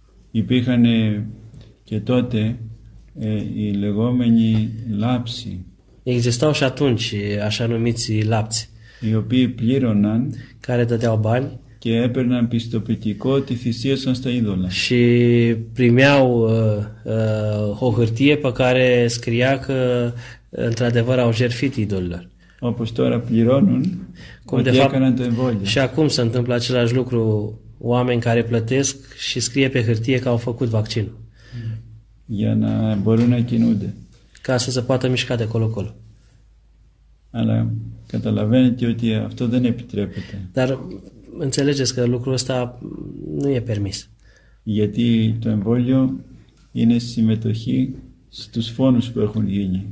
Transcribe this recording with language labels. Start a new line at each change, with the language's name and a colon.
Greek: Υπήρχαν και τότε οι λεγόμενοι λάψοι.
Romanian: Existau și atunci așa numiți λάψοι.
Greek: Οι οποίοι πλήρωναν.
Romanian: Care dădeau bani.
Greek: Και έπαιρναν πιστοποιητικό ότι θυσίασαν στα είδωλα.
Romanian: Și primeau o hârtie pe care scria că într-adevăr au jertfit idolilor.
Greek: Όπως τώρα πληρώνουν ότι
Romanian: de fapt,
Greek: έκαναν το εμβόλιο.
Romanian: Și acum se întâmplă același lucru, oameni care plătesc și scrie pe hârtie că au făcut vaccinul.
Greek: Για να μπορούν να κινούνται.
Romanian: Ca să se poată mișca de colo-colo.
Greek: Αλλά καταλαβαίνετε ότι αυτό δεν επιτρέπεται.
Romanian: Dar înțelegeți că lucrul ăsta nu e permis.
Greek: Γιατί το εμβόλιο είναι συμμετοχή στους φόνους που έχουν γίνει.